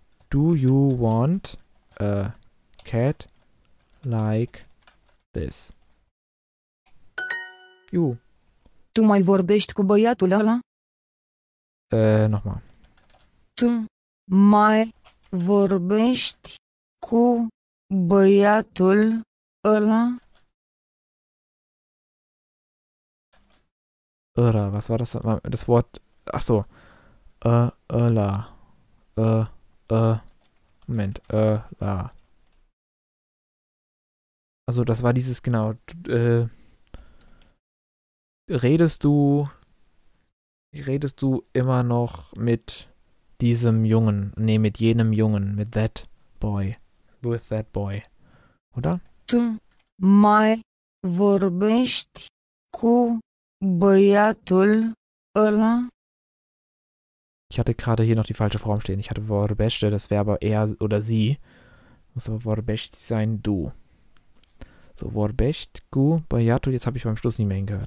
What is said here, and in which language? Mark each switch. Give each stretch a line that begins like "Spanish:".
English: Do you want a cat like this? You.
Romanian: Tu mai vorbești cu băiatul ăla?
German: Nochmal.
Romanian: Tu mai vorbești cu... Băiatul ăla?
German: Ăla, was war das? Das Wort, ach so. Ăla. Moment, ăla. Also das war dieses, genau. Redest du immer noch mit diesem Jungen? Nee, mit jenem Jungen, mit
English: that boy. With that boy,
German: oder?
Romanian: Tu mai vorbești cu băiatul ăla?
German: Ich hatte gerade hier noch die falsche Form stehen. Ich hatte vorbeste, das wäre aber er oder sie. Muss aber vorbeste sein, du. So,
Romanian: vorbeste cu băiatul,
German: jetzt habe ich beim Schluss nicht mehr hingehört.